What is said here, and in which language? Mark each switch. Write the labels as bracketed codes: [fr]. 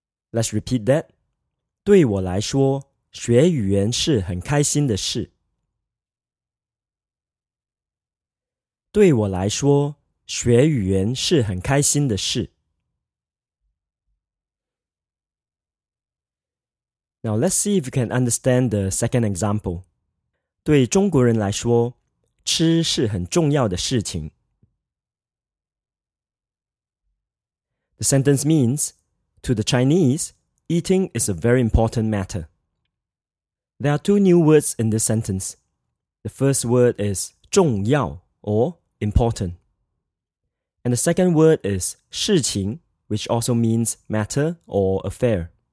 [en] Let's repeat that. [zh] 对我来说,学语言是很开心的事。对我来说,学语言是很开心的事。 [en] Now let's see if you can understand the second example. [zh] 对中国人来说,吃是很重要的事情。 [en] The sentence means, to the Chinese, eating is a very important matter. There are two new words in this sentence. The first word is 重要 or important. And the second word is 事情, which also means matter or affair.